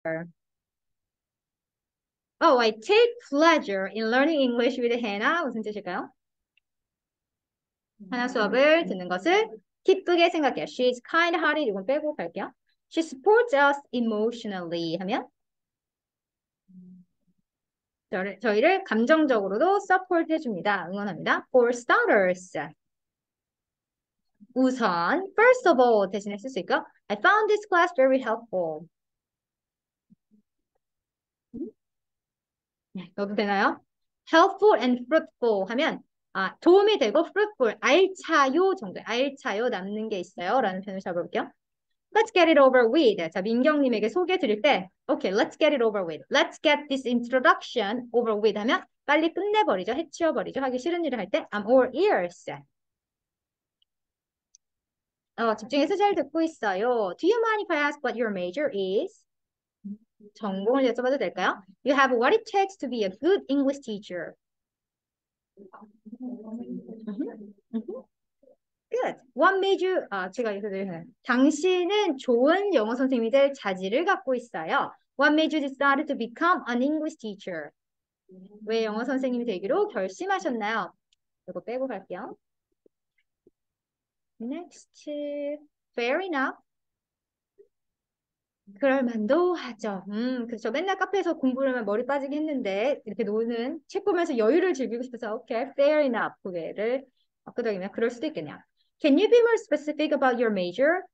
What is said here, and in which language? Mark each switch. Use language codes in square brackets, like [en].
[en] Oh, I take pleasure in learning English with Hannah. [ko] 무슨 뜻일까요? 하나 수업을 듣는 것을 기쁘게 생각해요. [en] She's kind-hearted. [ko] 이건 빼고 갈게요. [en] She supports us emotionally. [ko] 하면 저희를 감정적으로도 서포트 해줍니다. 응원합니다. [en] For starters. [ko] 우선, [en] first of all [ko] 대신에 쓸수 있고, [en] I found this class very helpful. [ko] 네, 이것도 되나요? [en] Helpful and fruitful [ko] 하면, 아, 도움이 되고 fruitful, 알차요 정도, 알차요 남는 게 있어요? 라는 표현을 잡아볼게요. [en] Let's get it over with. [ko] 자, 민경님에게 소개해 드릴 때, [en] Okay, let's get it over with. Let's get this introduction over with [ko] 하면, 빨리 끝내버리죠. 해치워버리죠. 하기 싫은 일을 할 때, [en] I'm all ears. [ko] 집중해서 잘 듣고 있어요. [en] Do you mind if I ask what your major is? [ko] 전공을 여쭤봐도 될까요? [en] You have what it takes to be a good English teacher. Good. What made you, [ko] 제가 이거를, 당신은 좋은 영어 선생님이 될 자질을 갖고 있어요. [en] What made you decide to become an English teacher? [ko] 왜 영어 선생님이 되기로 결심하셨나요? 이거 빼고 갈게요. [en] Next, fair enough. [ko] 그럴 만도 하죠. 그렇죠. 맨날 카페에서 공부를 하면 머리 빠지게 했는데 이렇게 노는 책 보면서 여유를 즐기고 싶어서 오케이, [en] fair enough. [ko] 고개를 끄덕이면 그럴 수도 있겠네요. [en] Can you be more specific about your major?